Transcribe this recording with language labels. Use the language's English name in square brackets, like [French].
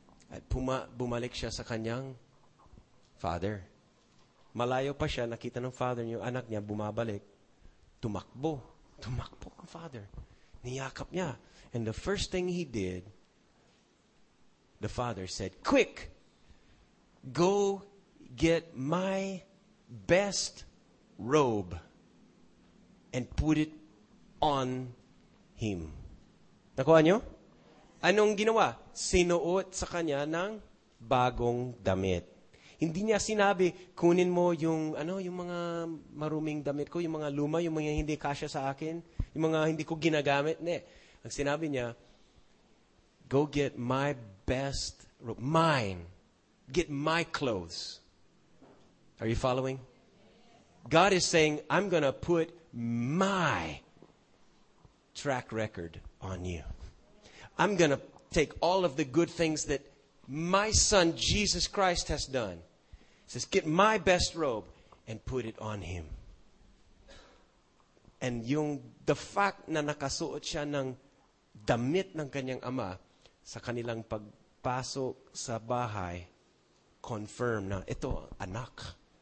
[Filipino] At bumalik siya sa kanyang father. Malayo pa siya, nakita ng father niya, yung anak niya, bumabalik. Tumakbo. Tumakbo ang father. Niyakap niya. [English] And the first thing he did, the father said, quick, go get my best robe and put it on him. [Filipino] Nakuha niyo? Anong ginawa? Sinuot sa kanya ng bagong damit. Hindi niya sinabi, kunin mo yung mga maruming damit ko, yung mga luma, yung mga hindi kasya sa akin, yung mga hindi ko ginagamit. [English] Ne. [Filipino] Ang sinabi niya, [English] go get my best robe. Mine. Get my clothes. Are you following? God is saying, I'm going to put my track record on you. I'm going to take all of the good things that my son, Jesus Christ, has done. He says, get my best robe and put it on him. [Filipino] And yung the fact na nakasuot siya ng damit ng kanyang ama sa kanilang pagpasok sa bahay, confirm na ito, anak.